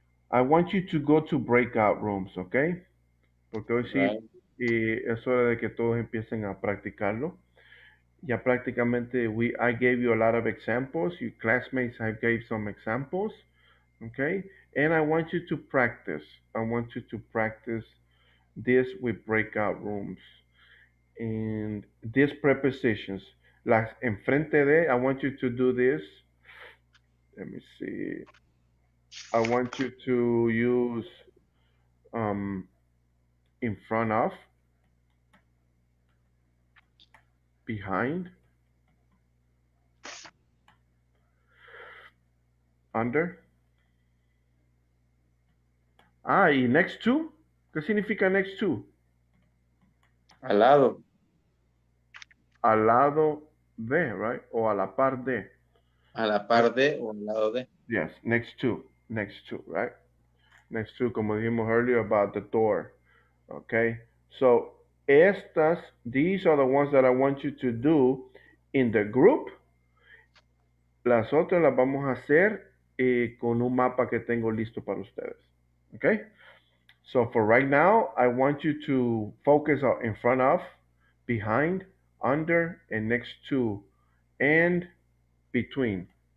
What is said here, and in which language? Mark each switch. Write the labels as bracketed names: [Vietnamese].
[English] I want you to go to breakout rooms, okay? [Spanish] Porque hoy sí, y es hora de que todos empiecen a practicarlo. Ya prácticamente, [English] I gave you a lot of examples. Your classmates, I gave some examples. Okay? And I want you to practice. I want you to practice this with breakout rooms. And these prepositions. [Spanish] Las enfrente de, [English] I want you to do this. Let me see. I want you to use in front of. Behind, under, [Spanish] y next to, ¿qué significa next to? Al lado de, [English] right? [Spanish] O a la par de. A la par de o al lado de. [English] Yes, next to, right? Next to, [Spanish] como dijimos [English] earlier about the door, okay? So, these are the ones that I want you to do in the group. [Spanish] Las otras las vamos a hacer con un mapa que tengo listo para ustedes. [English] Okay? So for right now, I want you to focus on in front of, behind, under, and next to, and between.